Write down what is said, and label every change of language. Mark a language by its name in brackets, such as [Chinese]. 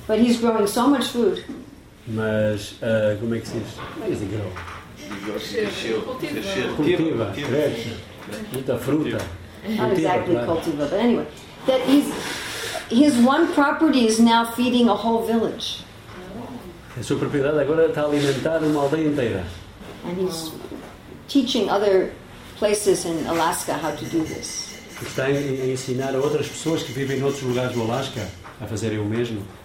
[English] But he's growing so much food. [Portuguese] Mas como é que se diz? [English] Where does he grow? [Portuguese] Cultiva. Muita fruta. [English] Not exactly cultiva, but anyway. That his one property is now feeding a whole village. [Portuguese] A sua propriedade agora está a alimentar uma aldeia inteira. [English] And he's teaching other places in Alaska how to do this. [Portuguese] Está a ensinar a outras pessoas que vivem em outros lugares do Alaska a fazerem o mesmo.